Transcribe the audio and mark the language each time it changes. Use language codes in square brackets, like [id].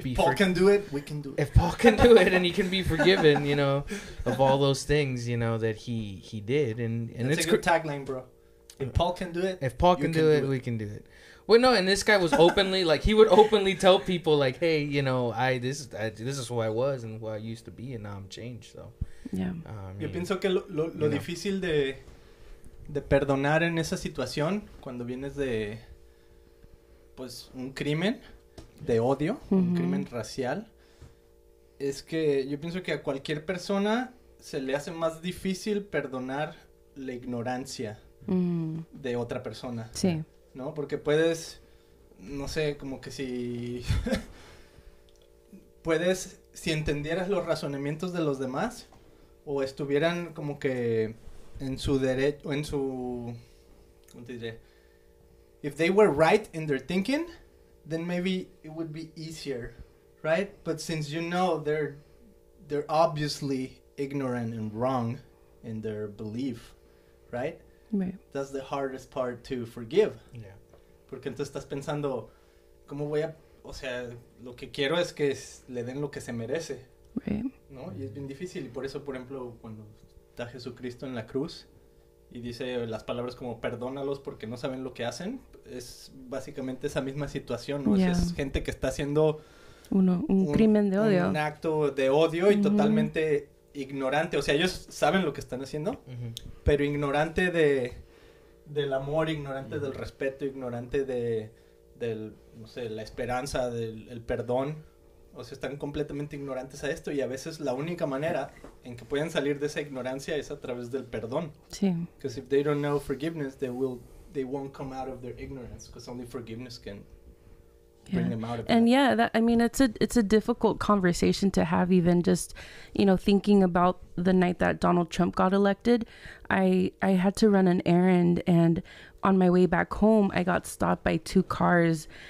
[en] If Paul can do it and he can be forgiven, you know, of all those things, you know, that he did. And that's, it's a good tagline, bro. We can do it. Well, no, and this guy was openly, like, he would openly tell people, like, hey, you know, this is who I was and who I used to be, and now I'm changed, so. Yeah. [es] Yo pienso que lo difícil de perdonar en esa situación cuando vienes de, pues, un crimen de odio, un crimen racial, es que yo pienso que a cualquier persona se le hace más difícil perdonar la ignorancia de otra persona. Sí. ¿No? Porque puedes, no sé, como que si puedes, si entendieras los razonamientos de los demás o estuvieran como que en su derecho, en su, ¿cómo te diré? [en] If they were right in their thinking, then maybe it would be easier, right? But since you know they're obviously ignorant and wrong in their belief, right? Right. That's the hardest part to forgive. Yeah. [es] Porque entonces estás pensando, ¿cómo voy a...? O sea, lo que quiero es que le den lo que se merece. [en] Right. [es] ¿No? Y es bien difícil. Y por eso, por ejemplo, cuando está Jesucristo en la cruz y dice las palabras como perdónalos porque no saben lo que hacen, es básicamente esa misma situación, ¿no? Es gente que está haciendo un crimen de odio, un acto de odio y totalmente ignorante. O sea, ellos saben lo que están haciendo, pero ignorante del amor, ignorante del respeto, ignorante del, no sé, la esperanza, del el perdón. O sea, están completamente ignorantes a esto y a veces la única manera en que pueden salir de esa ignorancia es a través del perdón. Sí. [en] Because if they don't know forgiveness, they won't come out of their ignorance, because only forgiveness can bring them out of it. And yeah, that, I mean, it's a difficult conversation to have, even just, you know, thinking about the night that Donald Trump got elected. I had to run an errand, and on my way back home, I got stopped by two cars.